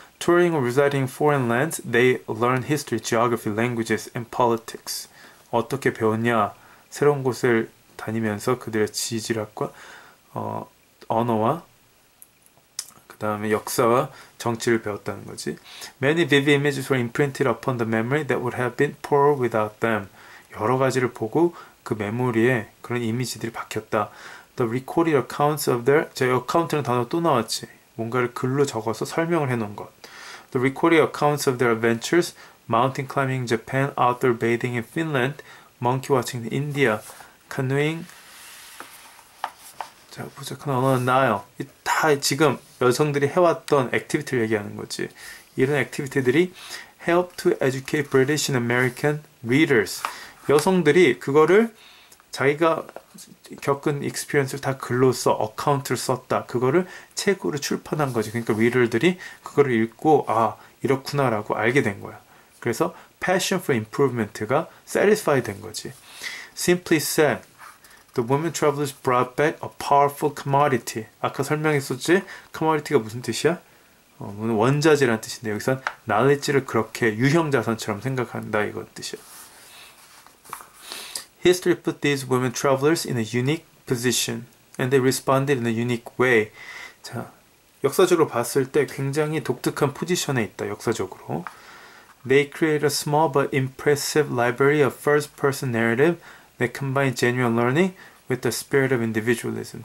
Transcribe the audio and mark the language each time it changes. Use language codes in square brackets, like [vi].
[en] Touring or residing foreign lands, they learn history, geography, languages, and politics. [ko] 어떻게 배웠냐? 새로운 곳을 다니면서 그들의 지질학과 언어와 그다음에 역사와 정치를 배웠다는 거지. [en] Many vivid images were imprinted upon the memory that would have been poor without them. [ko] 여러 가지를 보고 그 메모리에 그런 이미지들이 박혔다. [en] The recorded accounts of their [ko] 제 어카운트는 단어 또 나왔지. 뭔가를 글로 적어서 설명을 해놓은 것. [en] The recorded accounts of their adventures, mountain climbing in Japan, outdoor bathing in Finland, monkey watching in India, canoeing. [ko] 자, 보자. 그 언어는 나요. 다 지금 여성들이 해왔던 액티비티를 얘기하는 거지. 이런 액티비티들이 [en] help to educate British and American readers. [ko] 여성들이 그거를 자기가 겪은 익스피리언스를 다 글로 써, 어카운트를 썼다. 그거를 책으로 출판한 거지. 그러니까 리더들이 그거를 읽고 아, 이렇구나라고 알게 된 거야. 그래서 [en] passion for improvement [ko] 가 satisfy 된 거지. [en] Simply said, the women travelers brought back a powerful commodity. [ko] 아까 설명했었지? commodity가 무슨 뜻이야? 원자재란 뜻인데 여기서 knowledge를 그렇게 유형 자산처럼 생각한다 이거 뜻이야. [en] History put these women travelers in a unique position, and they responded in a unique way. [ko] 자, 역사적으로 봤을 때 굉장히 독특한 포지션에 있다, 역사적으로. [en] They create a small but impressive library of first-person narrative that combine genuine learning with the spirit of individualism.